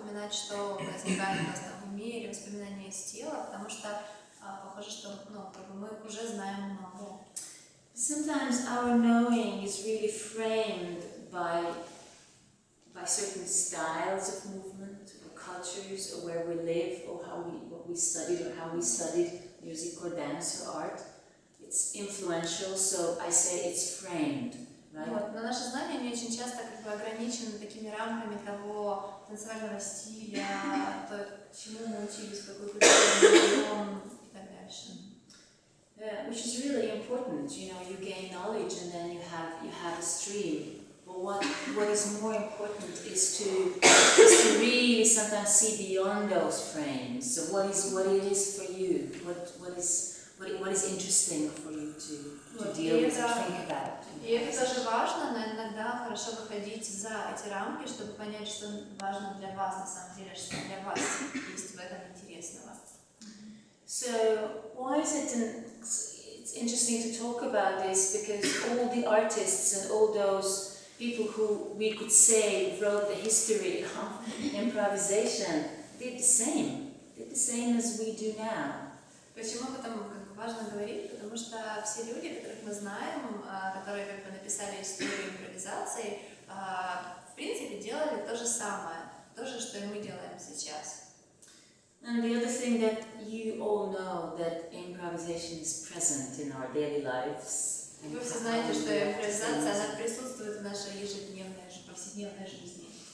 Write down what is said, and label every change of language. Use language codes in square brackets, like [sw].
[ru] Что возникает у нас там в уме или воспоминания из тела, потому что похоже, что ну, как бы мы уже знаем много. [en] Sometimes our knowing is really framed by certain styles of movement, or cultures, or where we live, or how we what we studied, or how we studied music or dance or art. It's influential, so I say it's framed. [ru] Вот, но наше знание не очень часто как бы ограничено такими рамками того танцевального стиля, то, чему мы учились, какой культурой и так дальше. [en] Which is really important, you know, you gain knowledge and then you have a stream. But what is more important is to really sometimes see beyond those frames. So what it is for you, what is interesting for you to deal with and think about. [ru] И это тоже важно, но иногда хорошо выходить за эти рамки, чтобы понять, что важно для вас на самом деле, что для вас есть в этом интересного. [en] So why is it it's interesting to talk about this? Because all the artists and all those people who we could say wrote the history of improvisation did the same as we do now. [ru] Почему потом важно говорить, потому что все люди, которых мы знаем, которые как бы написали историю импровизации, в принципе делали то же самое, то же, что и мы делаем сейчас. [en] And the other thing that you all know that improvisation is present in our daily lives. [ru] Вы все знаете, что импровизация, она присутствует в нашей ежедневной, повседневной жизни.